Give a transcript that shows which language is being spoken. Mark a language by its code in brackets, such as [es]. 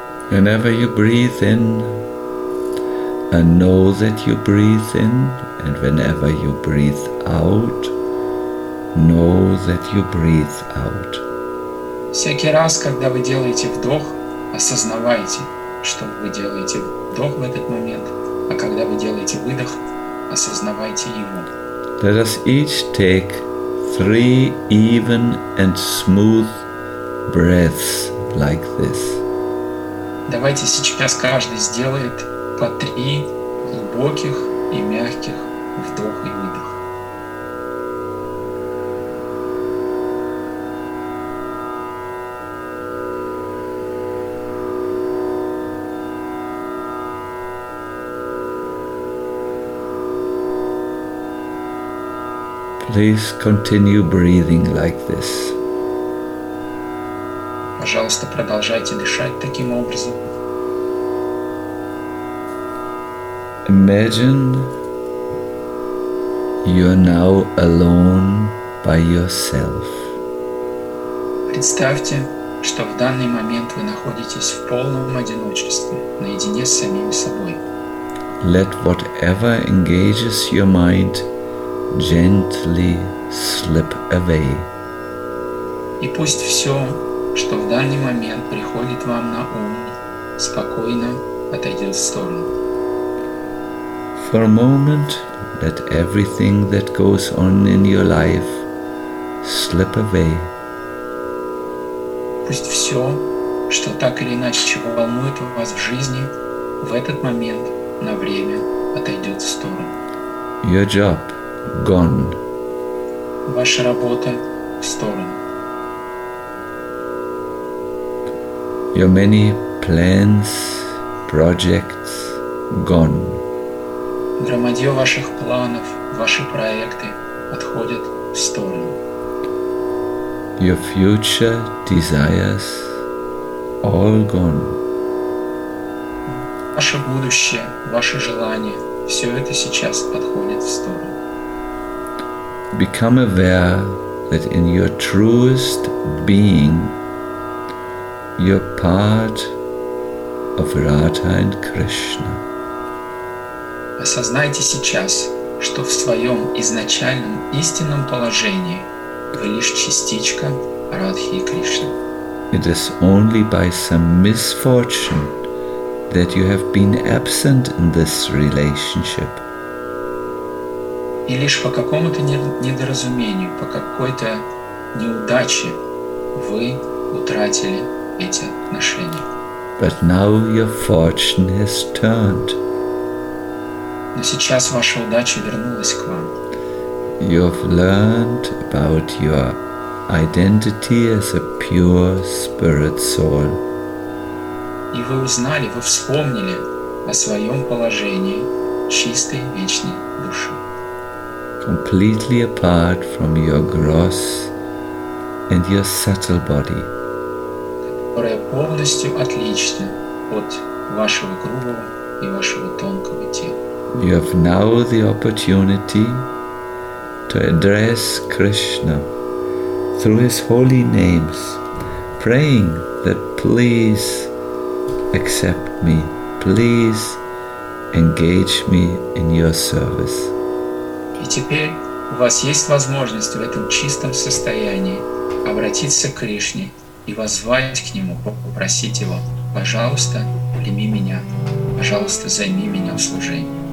[en] Whenever you breathe in, and know that you breathe in, and whenever you breathe out, know that you breathe out. [ru] Всякий раз, когда вы делаете вдох, осознавайте, что вы делаете вдох в этот момент, а когда вы делаете выдох, осознавайте его. [en] Let us each take 3 even and smooth breaths like this. [ru] Давайте сейчас каждый сделает по 3 глубоких и мягких вдоха и выдоха. [en] Please continue breathing like this. [ru] Пожалуйста, продолжайте дышать таким образом. [en] Imagine you are now alone by yourself. [ru] Представьте, что в данный момент вы находитесь в полном одиночестве, наедине с самим собой. [en] Let whatever engages your mind gently slip away. [ru] И пусть все, что в данный момент приходит вам на ум, спокойно отойдет в сторону. [en] For a moment, let everything that goes on in your life slip away. [ru] Пусть все, что так или иначе волнует вас в жизни, в этот момент на время отойдет в сторону. [en] Your job gone. [ru] Ваша работа в сторону. [en] Your many plans, projects gone. [ru] Громадье ваших планов, ваши проекты отходят в сторону. [en] Your future desires all gone. [ru] Ваше будущее, ваши желания, все это сейчас отходит в сторону. [en] Become aware that in your truest being you're part of Radha and Krishna. [ru] Осознайте сейчас, что в своем изначальном истинном положении вы лишь частичка Радхи и Кришны. [en] It is only by some misfortune that you have been absent in this relationship. [ru] И лишь по какому-то недоразумению, по какой-то неудаче вы утратили эти отношения. [en] But now your fortune has turned. [ru] Но сейчас ваша удача вернулась к вам. [en] You've learned about your identity as a pure spirit soul. [ru] И вы узнали, вы вспомнили о своем положении чистой вечной души. [en] Completely apart from your gross and your subtle body. [ru] Которая полностью отлична от вашего грубого и вашего тонкого тела. [en] You have now the opportunity to address Krishna through his holy names, praying that please accept me, please engage me in your service. [ru] И теперь у вас есть возможность в этом чистом состоянии обратиться к Кришне и воззвать к Нему, попросить Его, пожалуйста, прими меня, пожалуйста, займи меня в служении.